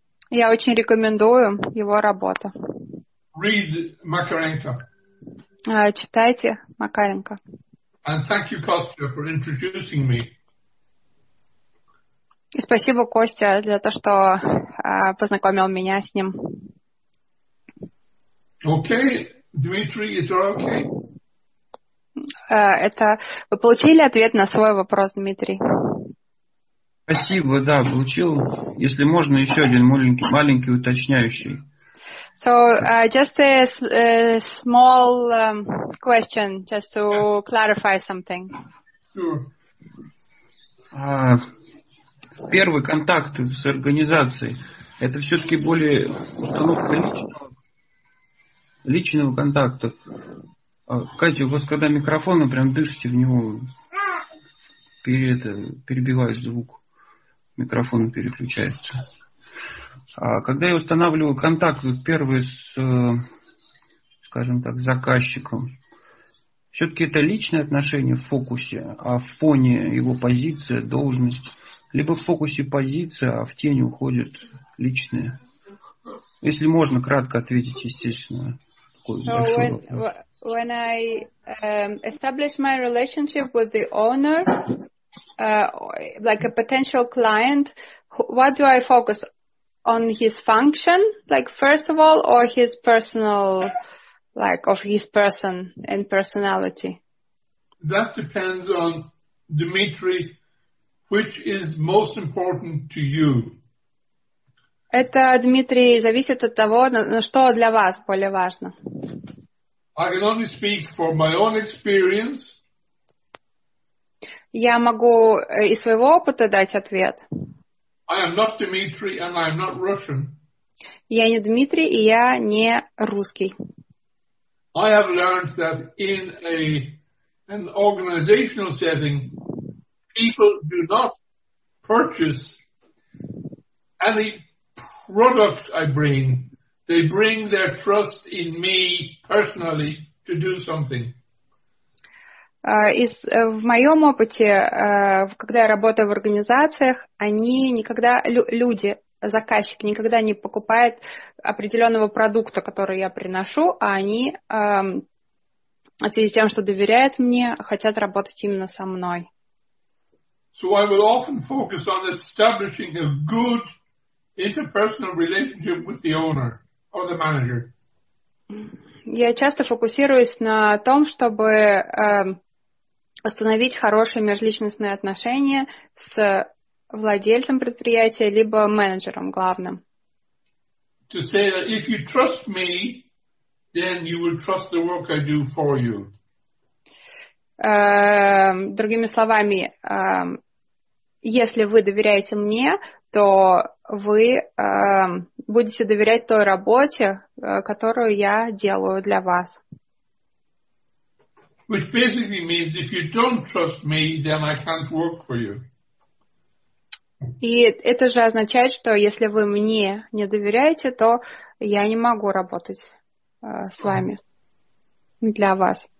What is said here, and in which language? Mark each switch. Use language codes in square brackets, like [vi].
[ru] Я очень рекомендую его работу. [en] Read Макаренко. [ru] Читайте Макаренко. [en] And thank you, Костя, for introducing me. [ru] И спасибо, Костя, за то, что познакомил меня с ним. [en] Okay, Dmitry, is that okay? [ru] Вы получили ответ на свой вопрос, Дмитрий? Спасибо, да, получил. Если можно, еще один маленький уточняющий. [en] So, just a small question, just to clarify something. Sure. [ru] Первый контакт с организацией, это все-таки более установка личного контакта. Катя, у вас когда микрофон, вы прям дышите в него, перебивает звук. Микрофон переключается. А когда я устанавливаю контакт, первый с, скажем так, заказчиком, все-таки это личное отношение в фокусе, а в фоне его позиция, должность, либо в фокусе позиция, а в тень уходит личное. Если можно, кратко ответить, естественно. Такой большой вопрос. [en] When I establish my relationship with the owner, like a potential client, what do I focus on, his function, like first of all, or his personal, like of his person and personality? That depends on Dmitry, which is most important to you. [ru] Это, Дмитрий, зависит от того, на что для вас более важно. [en] I can only speak for my own experience. [ru] Я могу из своего опыта дать ответ. [en] I am not Dmitry and I am not Russian. [ru] Я не Дмитрий, и я не русский. [en] I have learned that in an organizational setting, people do not purchase any product I bring. They bring their trust in me personally to do something. [ru] В моем опыте, когда я работаю в организациях, они никогда, люди, заказчик никогда не покупает определенного продукта, который я приношу, а они в связи с тем, что доверяют мне, хотят работать именно со мной. [en] So I will often focus on establishing a good interpersonal relationship with the owner or the manager. [ru] Я часто фокусируюсь на том, чтобы установить хорошие межличностные отношения с владельцем предприятия либо менеджером главным. [en] To say that if you trust me, then you will trust the work I do for you. [ru] Другими словами, если вы доверяете мне, то вы будете доверять той работе, которую я делаю для вас. [en] Which basically means if you don't trust me, then I can't work for you. [ru] И это же означает, что если вы мне не доверяете, то я не могу работать с вами для вас.